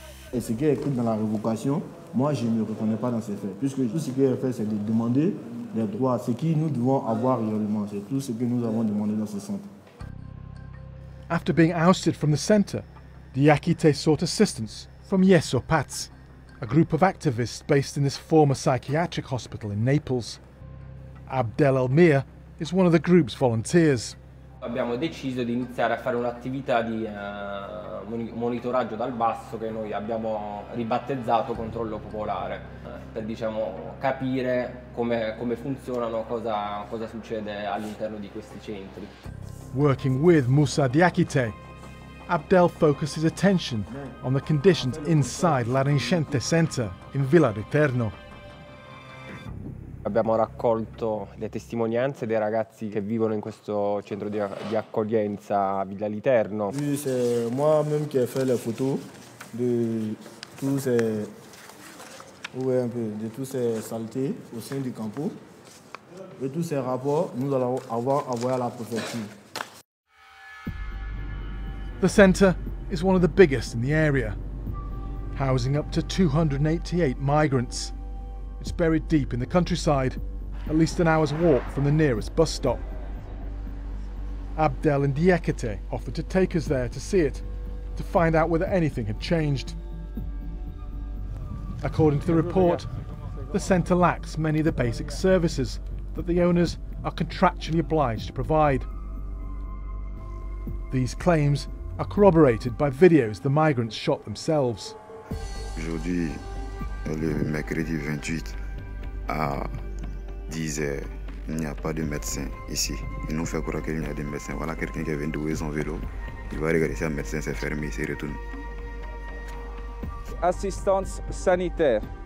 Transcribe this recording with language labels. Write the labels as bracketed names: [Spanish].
[French] Et ce qui est écrit dans la révocation, moi je ne reconnais pas dans ces faits, puisque tout ce qui est fait c'est de demander les droits, ce que nous devons avoir réellement, c'est tout ce que nous avons demandé dans ce centre. [English] After being ousted from the centre, Diakité sought assistance from Yeso Paz, a group of activists based in this former psychiatric hospital in Naples. Abdel Elmir is one of the group's volunteers. [Italian] Abbiamo deciso di iniziare a fare un'attività di monitoraggio dal basso che noi abbiamo ribattezzato controllo popolare per, diciamo, capire come funzionano, cosa succede all'interno di questi centri. [English] Working with Moussa Diakité, Abdel focused his attention on the conditions inside l'Arincente Center in Villa Riterno. [Italian] Abbiamo raccolto le testimonianze dei ragazzi che vivono in questo centro di accoglienza Villa Literno. [French] Oui, c'est moi-même qui ai fait les photos de tous ces de tous ces saletés au sein du campo. Et tous ces rapports, nous allons avoir envoyé à la préfecture. [English] The center is one of the biggest in the area, housing up to 288 migrants. It's buried deep in the countryside, at least an hour's walk from the nearest bus stop. Abdel and Diekete offered to take us there to see it, to find out whether anything had changed. According to the report, the centre lacks many of the basic services that the owners are contractually obliged to provide. These claims are corroborated by videos the migrants shot themselves. [French] Aujourd'hui, le mercredi 28 à 10h, il n'y a pas de médecin ici. Ils nous font croire qu'il y a des médecins. Voilà quelqu'un qui est venu louer son vélo. Il va regarder si un médecin s'est fermé, il s'y retourne. Assistance sanitaire.